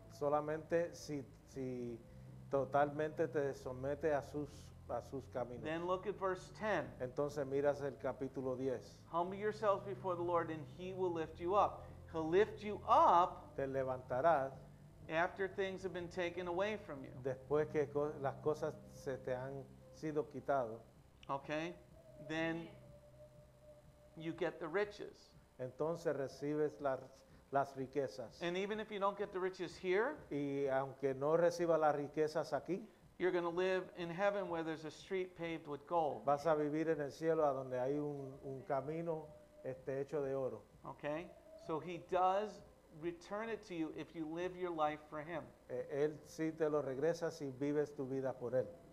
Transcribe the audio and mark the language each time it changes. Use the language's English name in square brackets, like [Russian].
[Spanish] Solamente si totalmente te somete a sus caminos. [English] Then look at verse 10. [Spanish] Entonces miras el capítulo 10. [English] Humble yourselves before the Lord and He will lift you up. He'll lift you up. [Spanish] Te levantarás. [English] After things have been taken away from you. [Spanish] Después que las cosas se te han sido quitado. [English] Okay. Then you get the riches. [Spanish] Entonces recibes las riquezas. [English] And even if you don't get the riches here. [Spanish] Y aunque no reciba las riquezas aquí. [English] You're going to live in heaven where there's a street paved with gold. [Spanish] Vas a vivir en el cielo a donde hay un camino hecho de oro. [English] Okay. So He does return it to you if you live your life for Him. [Spanish] Él sí te lo regresa si vives tu vida por Él.